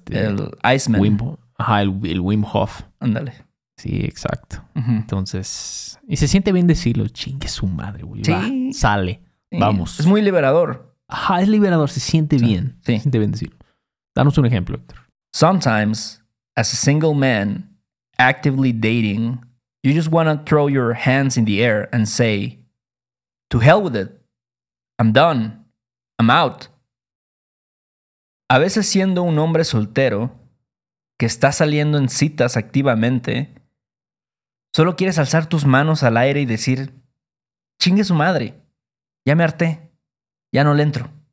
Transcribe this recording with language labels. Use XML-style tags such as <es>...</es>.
<es>El Iceman. El Wim Hof. Ándale. Sí, exacto. Entonces, y se siente bien decirlo. Chingue su madre, güey. Sí. Va, sale. Sí. Vamos. Es muy liberador. Ajá, es liberador. Se siente bien. Sí. Se siente bien decirlo. Danos un ejemplo, Héctor.</es> <en>Sometimes, as a single man actively dating, you just want to throw your hands in the air and say, to hell with it. I'm done. I'm out.</en> <es>A veces siendo un hombre soltero que está saliendo en citas activamente, solo quieres alzar tus manos al aire y decir, chingue su madre, ya me harté, ya no le entro.</es>